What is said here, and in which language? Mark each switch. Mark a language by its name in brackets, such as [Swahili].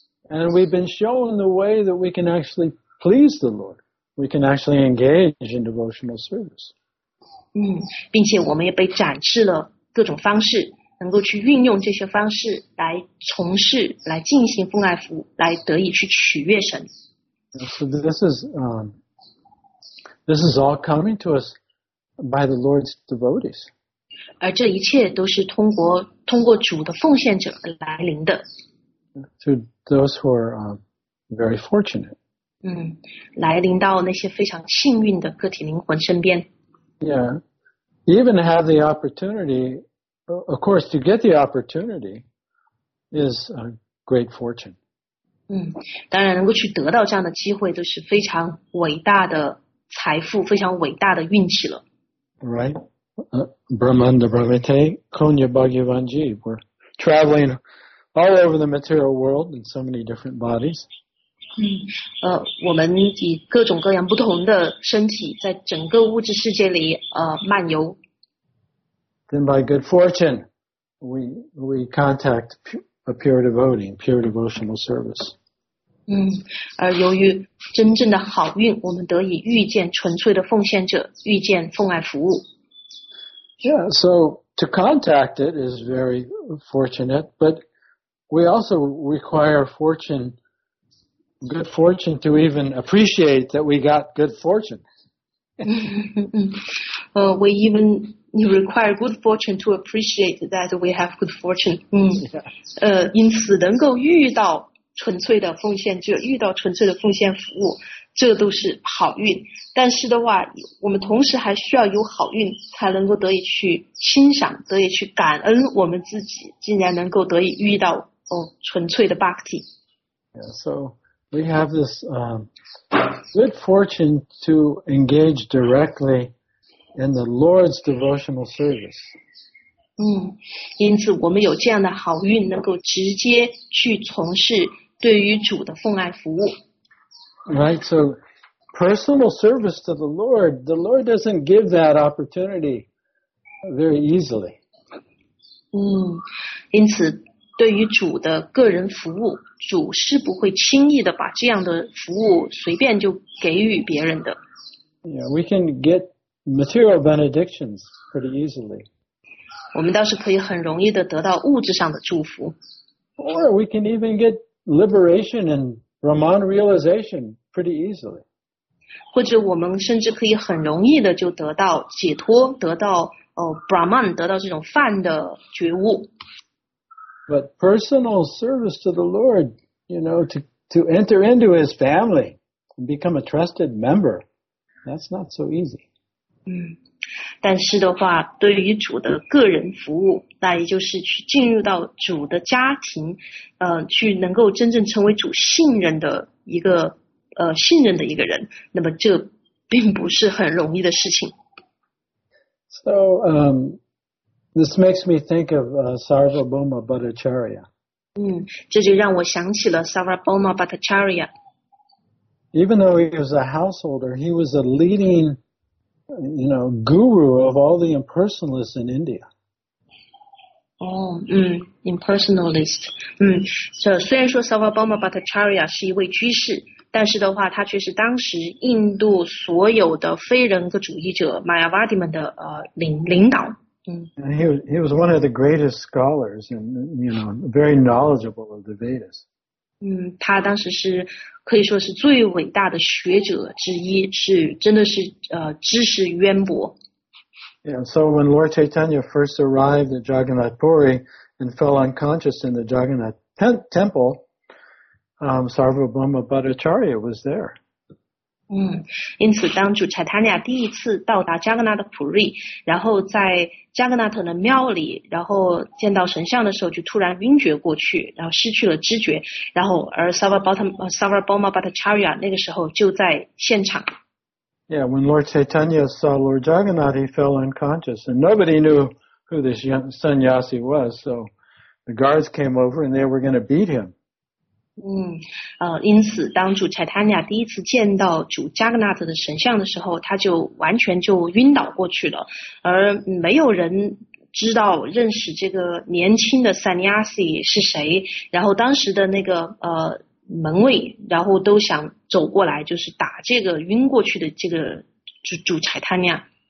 [English] And we've been shown the way that we can actually please the Lord. We can actually engage in devotional service. [Chinese] 并且我们也被展示了各种方式，能够去运用这些方式来从事，来进行奉爱服务，来得以去取悦神。 [English] So this is all coming to us by the Lord's devotees. [Chinese] 而这一切都是通过主的奉献者来临的。 [English] To those who are very fortunate. [Chinese] 来临到那些非常幸运的个体灵魂身边。 [English] Yeah, even have the opportunity, of course, to get the opportunity is a great fortune. [Chinese] 当然能够去得到这样的机会都是非常伟大的财富，非常伟大的运气了。 [English] Right. Brahmanda Bravete, Konya Bhagyavanji. We're traveling all over the material world in so many different bodies. [Chinese] 我们以各种各样不同的身体在整个物质世界里漫游。 [English] Then by good fortune, we contact a pure devotee, pure devotional service. [Chinese] 由于真正的好运，我们得以遇见纯粹的奉献者，遇见奉爱服务。 [English] Yeah, so to contact it is very fortunate, but we also require fortune, good fortune to even appreciate that we got good fortune. we even require good fortune to appreciate that we have good fortune. [Chinese] 因此能够遇到纯粹的奉献者，遇到纯粹的奉献服务，这都是好运。但是的话，我们同时还需要有好运，才能够得以去欣赏，得以去感恩我们自己，竟然能够得以遇到纯粹的 bhakti。 [English] Yeah, so we have this good fortune to engage directly in the Lord's devotional service. [Chinese] 因此我们有这样的好运，能够直接去从事对于主的奉爱服务。 [English] Right, so personal service to the Lord doesn't give that opportunity very easily. [Chinese] 因此对于主的个人服务，主是不会轻易的把这样的服务随便就给予别人的。 [English] Yeah, we can get material benedictions pretty easily. [Chinese] 我们倒是可以很容易的得到物质上的祝福。 [English] Or we can even get liberation and Brahman realization. Pretty easily. [Chinese] 或者我们甚至可以很容易的就得到解脱，得到Brahman， 得到这种梵的觉悟。 [English] But personal service to the Lord, you know, to enter into His family and become a trusted member, that's not so easy. [Chinese] 但是的话，对于主的个人服务，那也就是去进入到主的家庭，去能够真正成为主信任的一个。信任的一个人，那么这并不是很容易的事情。 [English] So, this makes me think of Sarvabhauma Bhattacharya. [Chinese] 这就让我想起了 Sarvabhauma Bhattacharya. [English] Even though he was a householder, he was a leading, you know, guru of all the impersonalists in India. [Chinese] Impersonalist. 虽然说 Sarvabhauma Bhattacharya 是一位居士。但是的话，他却是当时印度所有的非人格主义者 Mayavadi 们的领导。 [English] He was one of the greatest scholars and you know very knowledgeable of the Vedas. [Chinese] 他当时是可以说是最伟大的学者之一，是真的是知识渊博。 [English] Yeah, so when Lord Chaitanya first arrived at Jagannath Puri and fell unconscious in the Jagannath temple. Sarvabhauma Bhattacharya was there. [Chinese] 因此当主查塔尼亚第一次到达加格纳的普瑞，然后在加格纳特的庙里，然后见到神像的时候，就突然晕厥过去，然后失去了知觉。然后而 Sarvabhauma Bhattacharya 那个时候就在现场。 [English] Yeah, when Lord Chaitanya saw Lord Jagannath, he fell unconscious, and nobody knew who this young sannyasi was. So the guards came over, and they were going to beat him. [Chinese] 因此当主柴塔尼亚第一次见到主加格纳特的神像的时候，他就完全就晕倒过去了，而没有人知道认识这个年轻的萨尼亚西是谁，然后当时的那个门卫然后都想走过来就是打这个晕过去的这个主柴塔尼亚。